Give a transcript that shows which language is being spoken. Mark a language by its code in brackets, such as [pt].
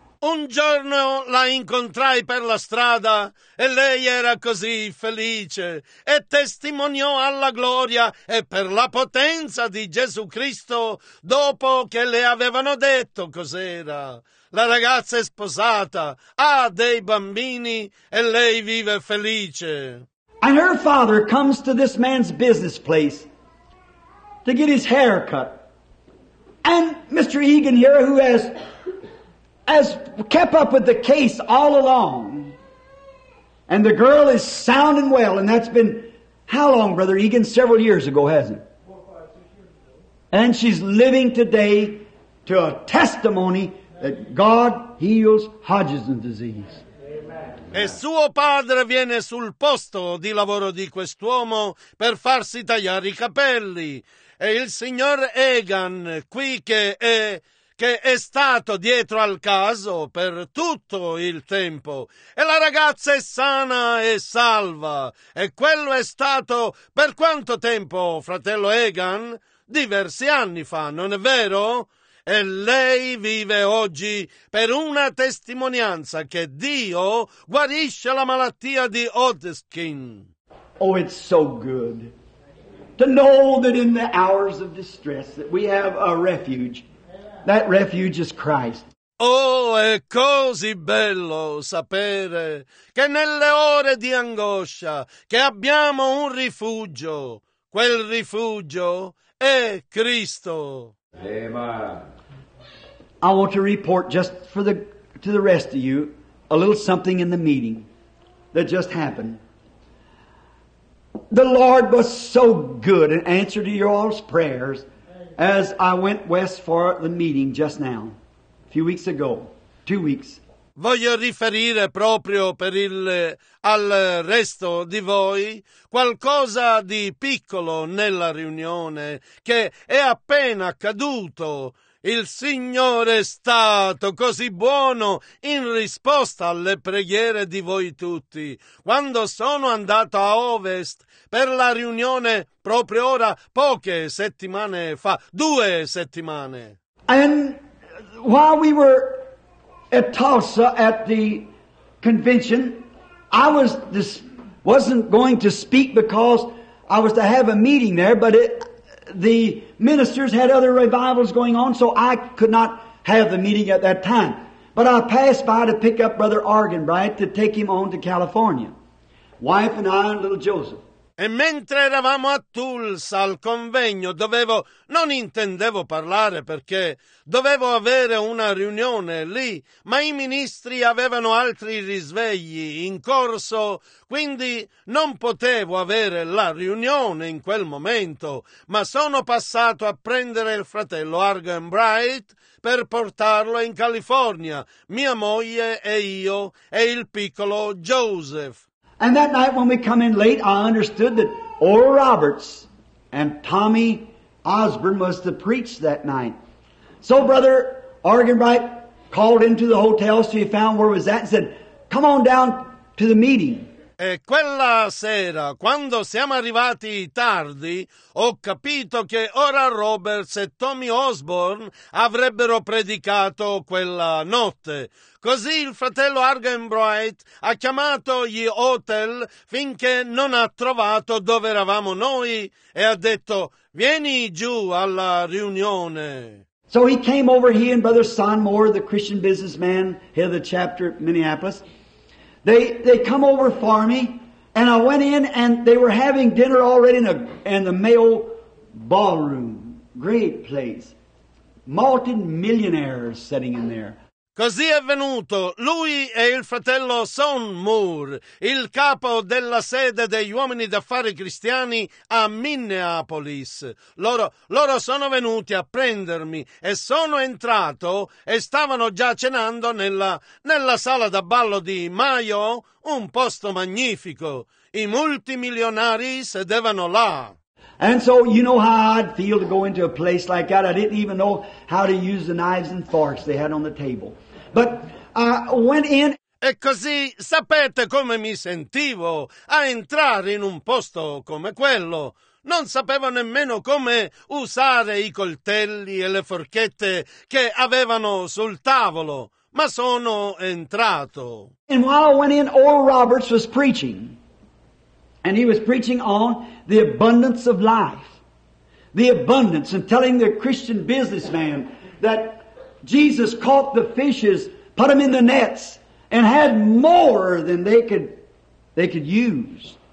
[it] Un giorno la incontrai per la strada e lei era così felice e testimoniò alla gloria e per la potenza di Gesù Cristo dopo che le avevano detto cos'era. La ragazza è sposata, ha dei bambini e lei vive felice. [en] And her father comes to this man's business place to get his hair cut. And Mr. Egan here, who has kept up with the case all along, and the girl is sound and well, and that's been how long, Brother Egan? Several years ago, hasn't it? 4 or 5 years ago. And she's living today to a testimony that God heals Hodgson's disease. [it] E suo padre viene sul posto di lavoro di quest'uomo per farsi tagliare i capelli. è il signor Egan qui che è stato dietro al caso per tutto il tempo. E la ragazza è sana e salva. E quello è stato per quanto tempo, fratello Egan? Diversi anni fa, non è vero? E lei vive oggi per una testimonianza che Dio guarisce la malattia di Hodgkin. [en] Oh, it's so good to know that in the hours of distress that we have a refuge. That refuge is Christ. [it] Oh, è così bello sapere che nelle ore di angoscia che abbiamo un rifugio. Quel rifugio è Cristo. [en] Amen. I want to report just for to the rest of you a little something in the meeting that just happened. The Lord was so good in answer to your all's prayers as I went west for the meeting just now, a few weeks ago, 2 weeks. [it] Voglio riferire proprio per al resto di voi qualcosa di piccolo nella riunione che è appena accaduto. Il Signore è stato così buono in risposta alle preghiere di voi tutti. Quando sono andato a ovest per la riunione proprio ora, poche settimane fa, 2 settimane. [en] And while we were at Tulsa at the convention, I wasn't going to speak because I was to have a meeting there, but the ministers had other revivals going on, so I could not have the meeting at that time. But I passed by to pick up Brother Argenbright to take him on to California. Wife and I and little Joseph. [it] E mentre eravamo a Tulsa al convegno, non intendevo parlare perché dovevo avere una riunione lì, ma i ministri avevano altri risvegli in corso, quindi non potevo avere la riunione in quel momento, ma sono passato a prendere il fratello Argenbright per portarlo in California, mia moglie e io e il piccolo Joseph. [en] And that night when we come in late, I understood that Oral Roberts and Tommy Osborne was to preach that night. So Brother Argenbright called into the hotel, so he found where was that, and said, come on down to the meeting. [it] E quella sera, quando siamo arrivati tardi, ho capito che Oral Roberts e Tommy Osborne avrebbero predicato quella notte. Così il fratello Argenbright ha chiamato gli hotel finché non ha trovato dove eravamo noi e ha detto, vieni giù alla riunione. [en] So he came over, he and Brother Sonmore, the Christian businessman, head of the chapter at Minneapolis. They come over for me, and I went in, and they were having dinner already in the Mayo ballroom. Great place. Multi-millionaires sitting in there. [it] Così è venuto lui e il fratello Son Moore, il capo della sede degli uomini d'affari cristiani a Minneapolis. Loro sono venuti a prendermi e sono entrato e stavano già cenando nella sala da ballo di Mayo, un posto magnifico. I multimilionari sedevano là. [en] And so you know how I'd feel to go into a place like that. I didn't even know how to use the knives and forks they had on the table. But I went in. [it] E così sapete come mi sentivo a entrare in un posto come quello. Non sapevo nemmeno come usare i coltelli e le forchette che avevano sul tavolo, ma sono entrato. [en] And while I went in, Oral Roberts was preaching. And he was preaching on the abundance of life. The abundance, and telling the Christian businessman that Jesus caught the fishes, put them in the nets, and had more than they could use.